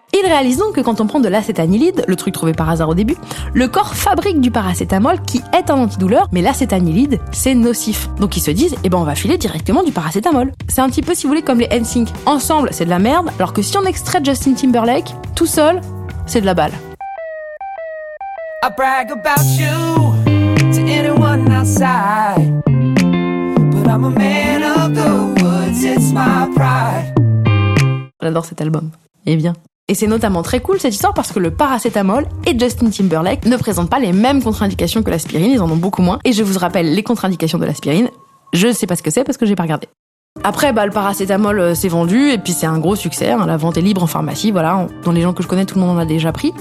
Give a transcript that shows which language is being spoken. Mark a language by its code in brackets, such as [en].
[fr] Ils réalisent donc que quand on prend de l'acétanilide, le truc trouvé par hasard au début, le corps fabrique du paracétamol qui est un antidouleur, mais l'acétanilide, c'est nocif. Donc ils se disent, eh ben on va filer directement du paracétamol. C'est un petit peu, si vous voulez, comme les NSYNC. Ensemble, c'est de la merde, alors que si on extrait Justin Timberlake, tout seul, c'est de la balle. [en] I brag about you to anyone outside, but I'm a man of the woods, it's my pride. [fr] J'adore cet album. Eh bien. Et c'est notamment très cool cette histoire parce que le paracétamol et Justin Timberlake ne présentent pas les mêmes contre-indications que l'aspirine, ils en ont beaucoup moins. Et je vous rappelle les contre-indications de l'aspirine, je ne sais pas ce que c'est parce que j'ai pas regardé. Après, bah, le paracétamol s'est vendu et puis c'est un gros succès, hein, la vente est libre en pharmacie, voilà, dans les gens que je connais, tout le monde en a déjà pris.